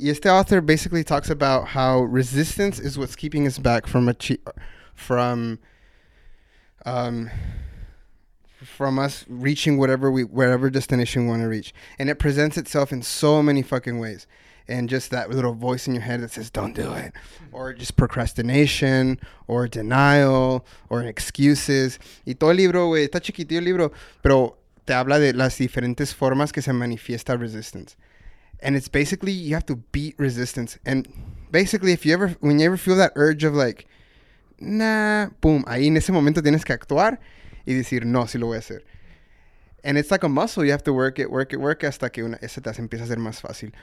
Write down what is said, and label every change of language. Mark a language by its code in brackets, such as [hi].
[es] Y este [en] author basically talks about how resistance is what's keeping us back from us reaching whatever destination we want to reach. And it presents itself in so many fucking ways. And just that little voice in your head that says, don't do it. Or just procrastination, or denial, or excuses. [es] Y todo el libro, güey, está chiquitito el libro, pero te habla de las diferentes formas que se manifiesta resistance. [en] And it's basically, you have to beat resistance. And basically, when you ever feel that urge of like, nah, boom, [es] ahí en ese momento tienes que actuar y decir, no, sí lo voy a hacer. [en] And it's like a muscle. You have to work it, work it, work it, [es] hasta que ese te empieza a ser más fácil.